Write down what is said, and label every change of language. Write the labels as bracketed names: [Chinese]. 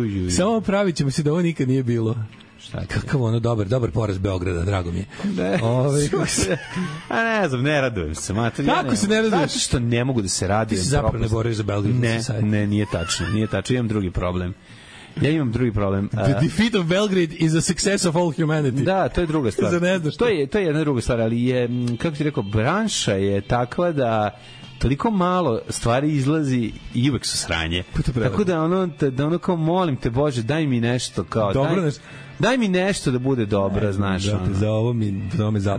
[Serbian] Samo pravit ćemo se da ovo nikad nije bilo. Kakav ono, dobar, dobar poraz Beograda, drago mi je. Ne, ove, se, a ne znam, ne radujem se. Mater, kako ja se ne radujem? Znači što ne mogu da se radujem. Ti si zapravo propust. Ne boriš za Belgrade. Ne, ne, nije tačno, nije tačno. Imam drugi problem. Ja imam drugi problem. [English] The defeat of Belgrade is a success of all humanity. [Serbian] Da, to je druga stvar. Za ne znaš. To je jedna druga stvar, ali je, kako ti rekao, branša je takva da toliko malo stvari izlazi i uvek su sranje. Tako da ono, da ono kao molim te Bože, daj mi nešto. Kao, dobro daj, nešto. Daj mi nešto da bude dobro, ne, znaš. Da, za ovo mi zapravo. Za